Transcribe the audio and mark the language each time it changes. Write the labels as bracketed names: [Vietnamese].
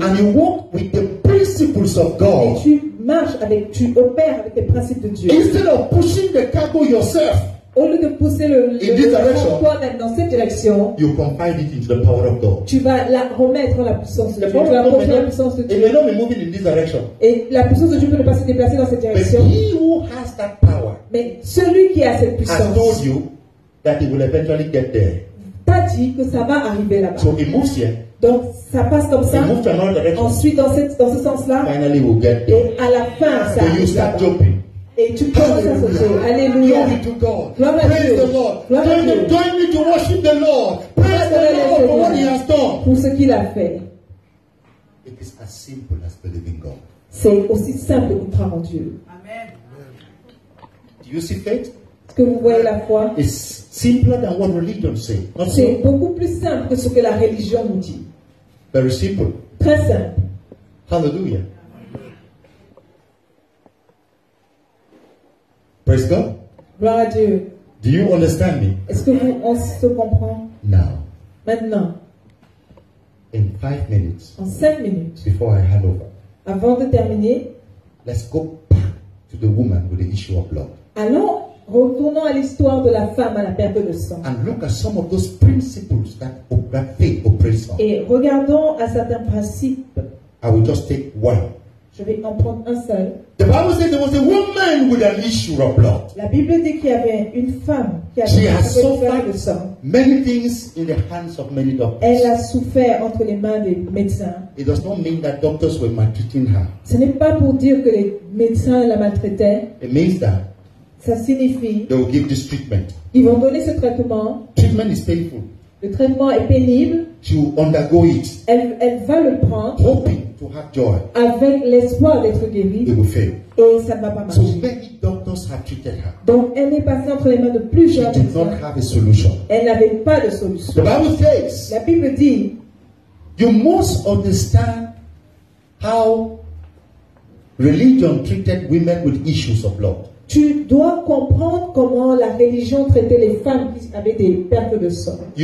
[English] and you walk with the principles of God. [French] Et tu marches avec, tu opères avec les principes de Dieu. [English] Instead of pushing the cargo yourself. [French] Au lieu de pousser le toi dans cette direction, [English] you confide it into the power of God. [French] Tu vas la remettre en la puissance de Dieu. Et la puissance de Dieu peut ne pas se déplacer dans cette direction. [English] But he who has that power, [French] mais celui qui a cette puissance, [English] has told you that he will eventually get there. [French] T'a dit que ça va arriver là-bas. [English] So he moves here. [French] Donc ça passe comme ça. [English] He moves to another direction. [French] Ensuite dans ce sens-là. [English] Finally, we'll get there. [French] Et à la fin, ça arrive. Là-bas. [English] Jumping. [French] Et tu commences à sauter. Alléluia. [English] Glory to God. Glory praise [French] Dieu. [English] The Lord. Glory turn, [French] Dieu. [English] Turn me to worship the Lord. Praise the Lord for what he has done. [French] Pour ce qu'il a fait. [English] It is as simple as believing God. [French] C'est aussi simple que croire en Dieu. [English] Amen. Do you see faith? [French] Est-ce que vous voyez la foi? [English] It's simpler than what religion say. Not c'est so. [French] Beaucoup plus simple que ce que la religion nous dit. [English] Very simple. [French] Très simple. [English] Hallelujah. Praise God. [French] Gloire à Dieu. [English] Do you understand me? [French] Est-ce que vous on se comprend? [English] Now. [French] Maintenant. [English] In 5 minutes. [French] En 5 minutes. [English] Before I hand over. [French] Avant de terminer. [English] Let's go back to the woman with the issue of blood. [French] Allons, retournons à l'histoire de la femme à la perte de sang. [English] And look at some of those principles that faith oppresses. [French] Et regardons à certains principes. [English] I will just take one. [French] Je vais en prendre un seul. [English] The Bible says there was a woman with an issue of blood. [French] La Bible dit qu'il y avait une femme qui avait [English] she [French] un [English] has suffered [French] de sang. [English] Many things in the hands of many doctors. [French] Elle a souffert entre les mains des médecins. [English] It does not mean that doctors were maltreating her. [French] Ce n'est pas pour dire que les médecins la maltraitaient. [English] It means that [French] ça signifie [English] they will give this treatment. [French] Ils vont donner ce traitement. [English] Treatment is painful. [French] Le traitement est pénible. [English] She will undergo it. [French] Elle va le prendre. [English] Hoping to have joy. [French] Avec l'espoir d'être guérie. [English] It will fail. [French] Et ça ne va pas marcher. [English] So many doctors have treated her. [French] Donc elle est passée entre les mains de plusieurs [English] médecins. She did not have a solution. [French] Elle n'avait pas de solution. [English] The Bible says, [French] la Bible dit, [English] you must understand how religion treated women with issues of blood. [French] Tu dois comprendre comment la religion traitait les femmes qui avaient des pertes de sang.